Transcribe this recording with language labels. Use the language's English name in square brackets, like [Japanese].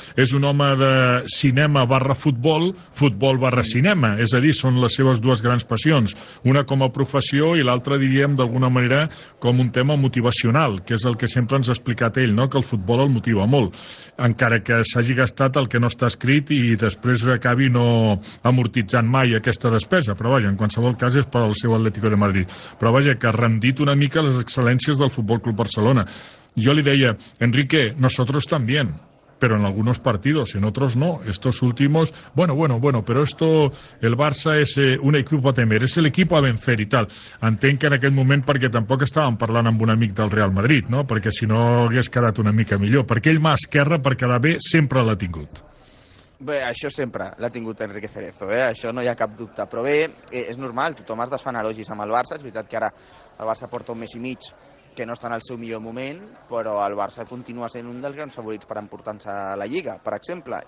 [Catalan] És un home de cinema barra futbol, futbol barra cinema, és a dir, són les seves dues grans passions, una com a professió i l'altre diríem d'alguna manera com un tema motivacional, que és el que sempre ens ha explicat ell, no? Que el futbol el motiva molt, encara que s'hagi gastat el que no està escrit i després acabi no amortitzant mai aquesta despesa, però vaja, en qualsevol cas és per al seu Atlético de Madrid, però vaja, que ha rendit una mica les excel·lències del Futbol Club Barcelona. Jo li deia, [Spanish] Enrique, nosotros también, pero en algunos partidos, en otros no. Estos últimos, bueno, pero esto, el Barça es un equipo a temer, es el equipo a vencer y tal. [Catalan] Entenc que en aquell moment, perquè tampoc estàvem parlant amb un amic del Real Madrid, no? Perquè si no hagués quedat una mica millor. Perquè ell, mà esquerra, per quedar bé, sempre l'ha tingut. Bé, això sempre l'ha tingut Enrique Cerezo, eh? Això no hi ha cap dubte. Però bé, és normal, tothom es desfan elogis amb el Barça. És veritat que ara el Barça porta un mes i mig que no està en el seu millor moment, però el Barça continua sent un dels grans favorits per emportar-se a la Lliga, per exemple.